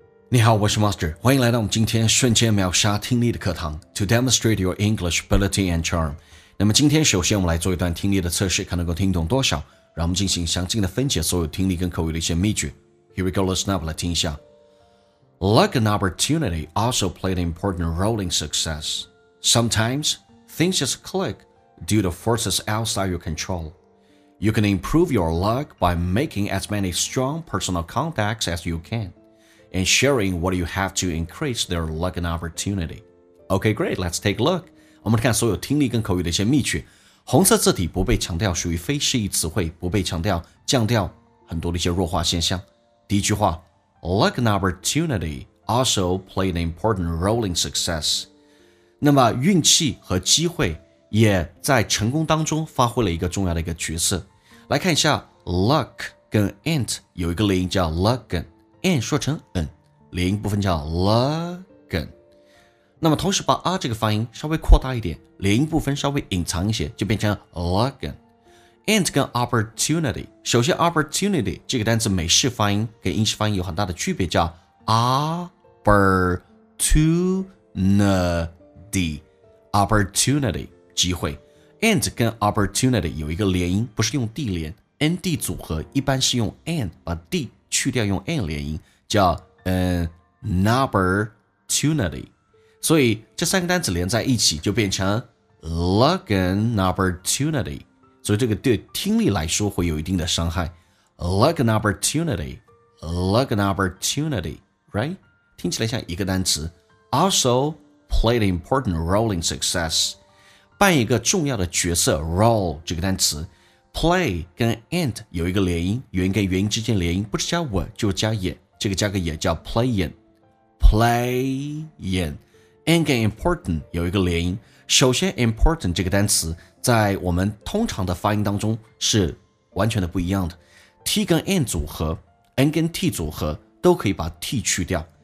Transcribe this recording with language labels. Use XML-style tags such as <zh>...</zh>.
<zh>你好，我是 Master， 欢迎来到我们今天瞬间秒杀听力的课堂</zh> <en>To demonstrate your English ability and charm。</en> <zh>那么今天首先我们来做一段听力的测试，看能够听懂多少，让我们进行详尽的分解所有听力跟口语的一些秘诀。</zh> <en>Here we go, listen up,</en> <zh>来听一下。</zh> <en>Luck and opportunity also played an important role in success. Sometimes, things just click due to forces outside your control. You can improve your luck by making as many strong personal contacts as you canand sharing what you have to increase their luck and opportunity. Okay, great, let's take a look.</en> <zh>我们看所有听力跟口语的一些秘诀。红色字体不被强调，属于非示意词汇，不被强调，降调很多的一些弱化现象。第一句话，</zh> <en>luck and opportunity also played an important role in success.</en> <zh>那么运气和机会也在成功当中发挥了一个重要的一个角色。来看一下 luck 跟 int 有一个类型叫 luckin。 and 说成 n， 连音部分叫 luckin， 那么同时把 r 这个发音稍微扩大一点，连音部分稍微隐藏一些，就变成 luckin。 and 跟 opportunity， 首先 opportunity 这个单词美式发音跟英式发音有很大的区别，叫 opportunity， opportunity 机会。 and 跟 opportunity 有一个连音，不是用 d 连 n d 组合，一般是用 and 把 d去掉用 and 连音，叫 an opportunity， 所以这三个单词连在一起就变成</zh> <en>luck and opportunity，</en> <zh>所以这个对听力来说会有一定的伤害。</zh> <en>luck and opportunity， luck and opportunity， right， 听起来像一个单词。 also played an important role in success，</en> <zh>扮一个重要的角色。 role 这个单词play 跟 and 有一个连音，原跟原音之间连音，不是加 were 就加也，这个加个也叫 playin， playin。 and 跟 important 有一个连音，首先 important 这个单词在我们通常的发音当中是完全的不一样的， t 跟 and 组合， n 跟 t 组合都可以把 t 去掉。</zh>